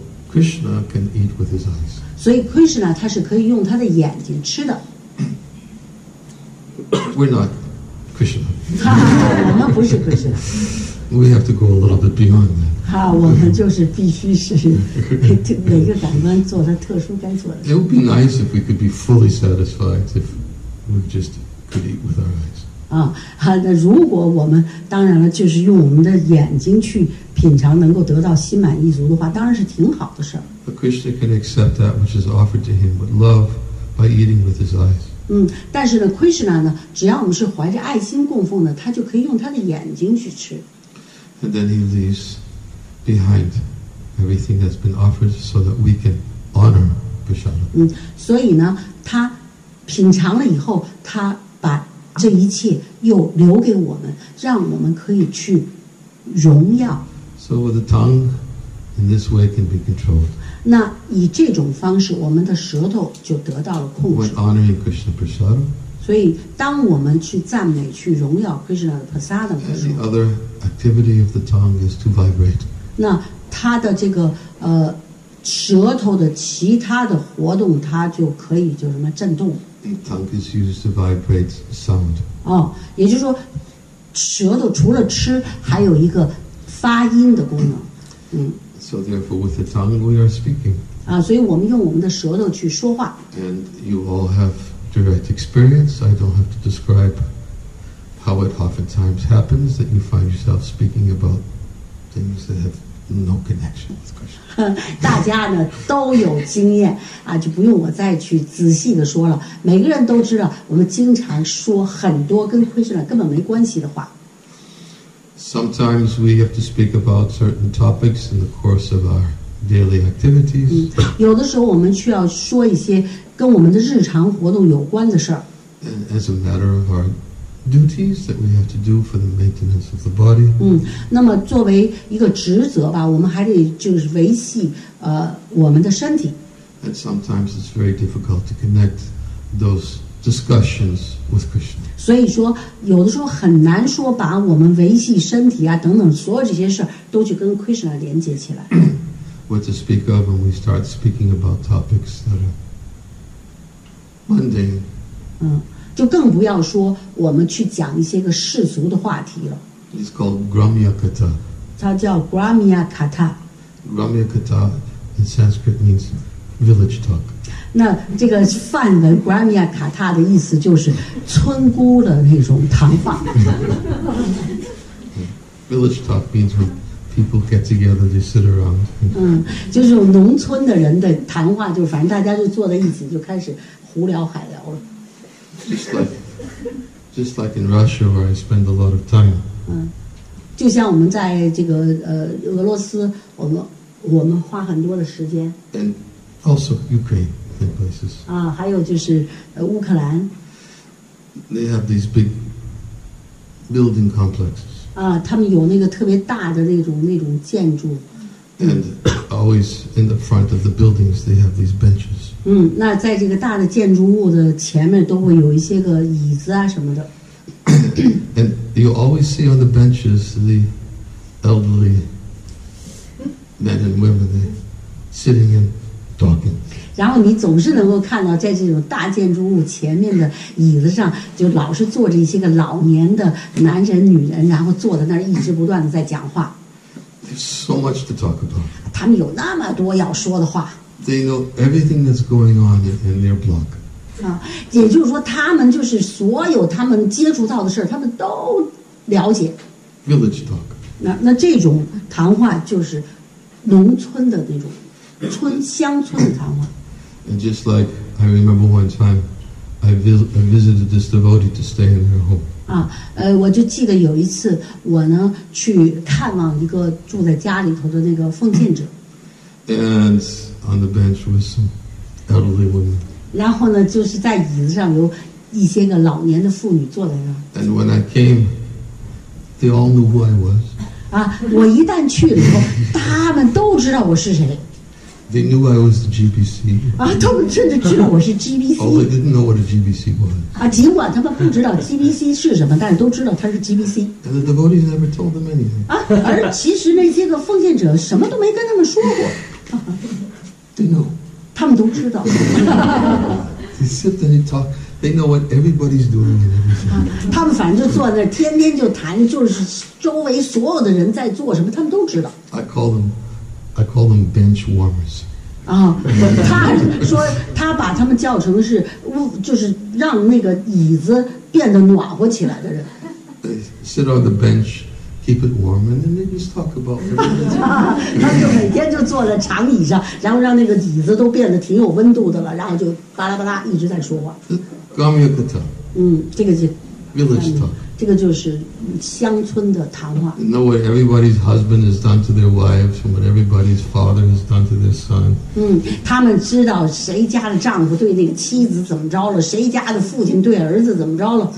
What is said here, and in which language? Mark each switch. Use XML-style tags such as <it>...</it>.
<en>Krishna can eat with his eyes.</en> <zh>所以 Krishna 他是可以用他的眼睛吃的。</zh> <en>We're not Krishna.</en> <zh>我们不是 Krishna.</zh> <en>We have to go a little bit beyond that.</en> <zh>好，我们就是必须是每个感官做他特殊该做的。</zh> <en>It would be nice if we could be fully satisfied if we just could eat with our eyes.</en> <zh>啊，好的，如果我们当然了，就是用我们的眼睛去。品尝能够得到心满意足的话，当然是挺好的事儿。</zh> <en>But Krishna can accept that which is offered to him with love by eating with his eyes.</en> <zh>嗯，但是呢 ，Krishna 呢，只要我们是怀着爱心供奉的，他就可以用他的眼睛去吃。</zh> <en>And then he leaves behind everything that's been offered so that we can honor prasadam.</en> <zh>嗯，所以呢，他品尝了以后，他把这一切又留给我们，让我们可以去。荣耀。</zh> <en>So the tongue, in this way, can be controlled.</en> <zh>那以这种方式，我们的舌头就得到了控制。</zh> <en>When honoring Krishna prasadam.</en> <zh>所以，当我们去赞美、去荣耀 Krishna prasadam 的时候</zh> <en>，the other activity of the tongue is to vibrate.</en> <zh>那它的这个舌头的其他的活动，它就可以就什么震动。</zh> <en>The tongue is used to vibrate sound.</en> <zh>哦，也就是说。舌头除了吃，还有一个发音的功能。嗯。</zh> <en>So therefore, with the tongue, we are speaking.</en> <zh>啊，所以我们用我们的舌头去说话。</zh> <en>And you all have direct experience. I don't have to describe how it oftentimes happens that you find yourself speaking about things that have no connection with Krishna.</en> <zh>大家呢都有经验啊，就不用我再去仔细的说了。每个人都知道，我们经常说很多跟 Krishna 根本没关系的话。</zh> <en>Sometimes we have to speak about certain topics in the course of our daily activities.</en> <zh>有的时候我们需要说一些跟我们的日常活动有关的事儿。</zh> <en>And as a matter of our duties that we have to do for the maintenance of the body.</en> <zh>嗯，那么作为一个职责吧，我们还得就是维系我们的身体。</zh> <en>And sometimes it's very difficult to connect those discussions with Krishna.</en> <zh>所以说，有的时候很难说把我们维系身体啊等等所有这些事都去跟 Krishna 连接起来。</zh> <en>What to speak of when we start speaking about topics that are mundane?</en> <zh>嗯，就更不要说我们去讲一些个世俗的话题了。</zh> <en>It's called Gramya Katha.</en> <zh>它叫 Gramya Katha.</zh> <en>Gramya Katha in Sanskrit means village talk.</en> <zh>那这个梵文 Gramya Katha 的意思就是村姑的那种谈话。</zh> <en>Village talk means when people get together, they sit around.</en> <zh>嗯，就是农村的人的谈话，就反正大家就坐在一起，就开始胡聊海聊了。</zh> <en>Just like in Russia, where I spend a lot of time.</en> <zh>嗯，就像我们在这个俄罗斯，我们花很多的时间。</zh> <en>And also Ukraine. Places.</en> <zh>啊，还有就是乌克兰。</zh> <en>They have these big building complexes.</en> <zh>啊，他们有那个特别大的那种建筑。</zh> <en>And always in the front of the buildings, they have these benches.</en> <zh>嗯，那在这个大的建筑物的前面都会有一些个椅子啊什么的。</zh> <en>And you always see on the benches the elderly men and women they sitting and talking.</en> <zh>然后你总是能够看到在这种大建筑物前面的椅子上就老是坐着一些个老年的男人女人然后坐在那儿一直不断的在讲话</zh> <en>There's so much to talk about</en> <zh>他们有那么多要说的话</zh> <en>They know everything that's going on in their block</en> <zh>啊，也就是说他们就是所有他们接触到的事他们都了解</zh> <en>Village talk</en> <zh>那这种谈话就是农村的那种村乡村的谈话</zh> <en>And just like I remember one time, I visited this devotee to stay in her home.</en> <zh>啊，我就记得有一次我呢去看望一个住在家里头的那个奉献者。</zh> <en>And on the bench was some elderly women.</en> <zh>然后呢，就是在椅子上有一些个老年的妇女坐在那儿。</zh> <en>And when I came, they all knew who I was.</en> <zh>啊，我一旦去了以后，他们都知道我是谁。</zh> <en>They knew I was the GBC.</en> <zh>啊，他们甚至知道我是 GBC.</zh> <en>Oh, they didn't know what a GBC was.</en> <zh>啊，尽管他们不知道 GBC 是什么，但是都知道他是 GBC.</zh> <en>And the devotees never told them anything.</en> <zh>啊，而其实那些个奉献者什么都没跟他们说过。</zh> <en>They know.</en> <zh>他们都知道。</zh> <en>They sit and they talk. They know what everybody's doing and everything.</en> <zh>他们反正就坐在那儿，天天就谈，就是周围所有的人在做什么，他们都知道。</zh> <en>I call them bench warmers.</en> <zh>啊，他说他把他们叫成是，就是让那个椅子变得暖和起来的人。</zh> <en>Sit on the bench, keep it warm, and then they just talk about everything.</en> <zh>他们就每天就坐在长椅上，然后让那个椅子都变得挺有温度的了，然后就巴拉巴拉一直在说话。</zh> <sa>Gramya Katha.</sa> <zh>嗯，这个就</zh> <en>village talk.</en> <zh>这个就是乡村的谈话。</zh> <en>You know what everybody's husband has done to their wives, and what everybody's father has done to their son.</en> <zh>嗯，他们知道谁家的丈夫对那个妻子怎么着了，谁家的父亲对儿子怎么着了。</zh>